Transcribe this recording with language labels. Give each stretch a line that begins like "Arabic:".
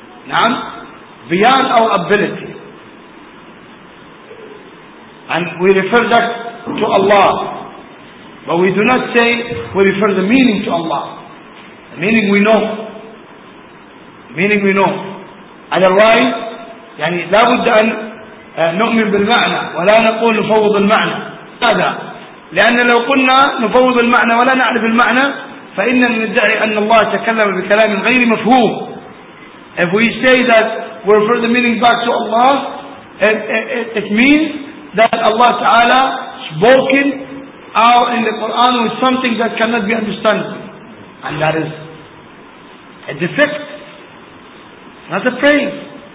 English: Now, beyond our ability. And we refer that to Allah. But we do not say we refer the meaning to Allah. The meaning we know. The meaning we know.
Arabic: Otherwise, يعني لا بد أن نؤمن بالمعنى ولا نقول نفوض المعنى. هذا لأن لو قلنا نفوض المعنى ولا نعرف المعنى فإننا ندعي أن الله تكلم بكلام غير مفهوم.
English: If we say that we refer the meaning back to Allah, it means that Allah تعالى spoken out in the Quran with something that cannot be understood, and that is a defect, not a praise.